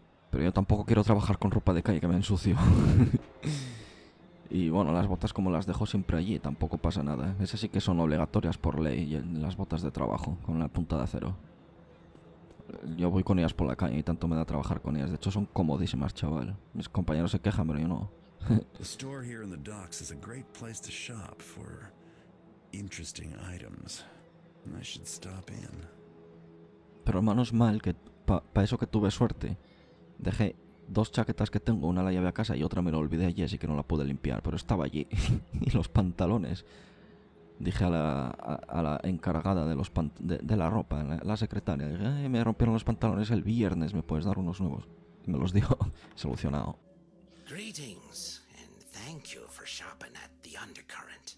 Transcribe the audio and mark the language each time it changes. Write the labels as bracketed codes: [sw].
[es] Pero yo tampoco quiero trabajar con ropa de calle, que me ensucio. Y bueno, las botas como las dejo siempre allí, tampoco pasa nada. Esas sí que son obligatorias por ley, las botas de trabajo, con la punta de acero. Yo voy con ellas por la calle y tanto me da trabajar con ellas. De hecho, son comodísimas, chaval. Mis compañeros se quejan, pero yo no. [en] The store here in the docks is a great place to shop for interesting items. I should stop in. [es] Pero menos mal que pa eso que tuve suerte. Dejé dos chaquetas que tengo, una la llevé a casa y otra me la olvidé allí, así que no la pude limpiar, pero estaba allí. Y los pantalones. Dije a la encargada de los de la ropa, la secretaria. Dije, me rompieron los pantalones el viernes, ¿me puedes dar unos nuevos? Y me los dio, solucionado. [en] Greetings, and thank you for shopping at the Undercurrent.